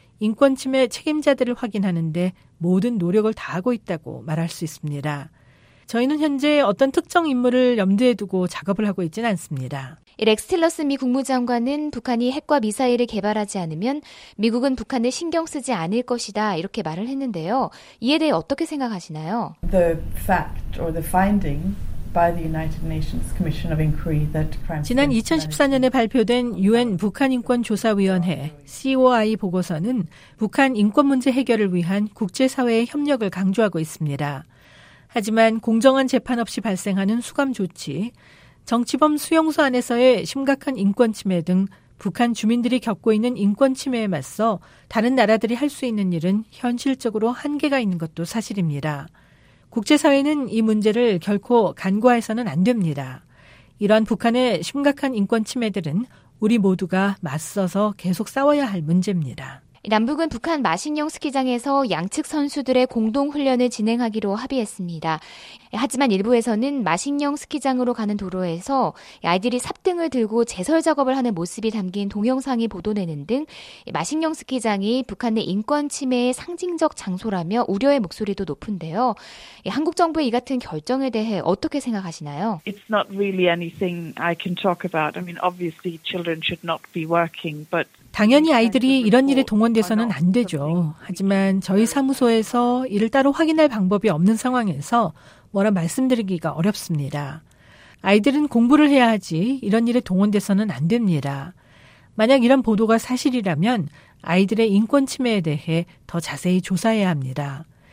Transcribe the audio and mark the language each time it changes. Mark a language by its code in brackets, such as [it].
[ko] 인권침해 책임자들을 확인하는데 모든 노력을 다하고 있다고 말할 수 있습니다. 저희는 현재 어떤 특정 인물을 염두에 두고 작업을 하고 있지는 않습니다. 렉스 틸러슨 미 국무장관은 북한이 핵과 미사일을 개발하지 않으면 미국은 북한을 신경 쓰지 않을 것이다 이렇게 말을 했는데요. 이에 대해 어떻게 생각하시나요? [en] The fact or the finding by the United Nations Commission of Inquiry that crimes. [ko] 지난 2014년에 발표된 UN 북한인권조사위원회 COI 보고서는 북한 인권 문제 해결을 위한 국제사회의 협력을 강조하고 있습니다. 하지만 공정한 재판 없이 발생하는 수감 조치, 정치범 수용소 안에서의 심각한 인권 침해 등 북한 주민들이 겪고 있는 인권 침해에 맞서 다른 나라들이 할 수 있는 일은 현실적으로 한계가 있는 것도 사실입니다. 국제사회는 이 문제를 결코 간과해서는 안 됩니다. 이러한 북한의 심각한 인권 침해들은 우리 모두가 맞서서 계속 싸워야 할 문제입니다. 남북은 북한 마신령 스키장에서 양측 선수들의 공동 훈련을 진행하기로 합의했습니다. 하지만 일부에서는 마신령 스키장으로 가는 도로에서 아이들이 삽등을 들고 제설 작업을 하는 모습이 담긴 동영상이 보도되는 등 마신령 스키장이 북한의 인권 침해의 상징적 장소라며 우려의 목소리도 높은데요. 한국 정부의 이 같은 결정에 대해 어떻게 생각하시나요? [en] It's not really anything I can talk about. I mean, obviously children should not be working, but [ko] 당연히 아이들이 이런 일에 동원돼서는 안 되죠. 하지만 저희 사무소에서 이를 따로 확인할 방법이 없는 상황에서 뭐라 말씀드리기가 어렵습니다. 아이들은 공부를 해야 하지 이런 일에 동원돼서는 안 됩니다. 만약 이런 보도가 사실이라면 아이들의 인권 침해에 대해 더 자세히 조사해야 합니다.